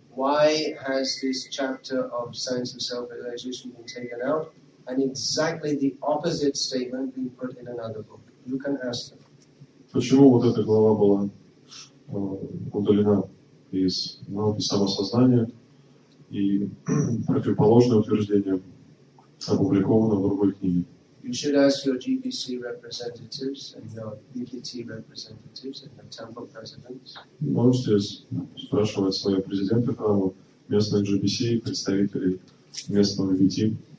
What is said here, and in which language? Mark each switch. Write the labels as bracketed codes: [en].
[en] Why has this chapter of Science of Self-Realization been taken out? And exactly the opposite statement being put in another book. You can ask them. [ru] Почему вот эта глава была удалена из науки самосознания и противоположное утверждение опубликовано в другой книге? [en] You should ask your GBC representatives and your BPT representatives and your temple presidents. [ru] Можете спрашивать своего президента храма, местных GBC, представителей местного BPT.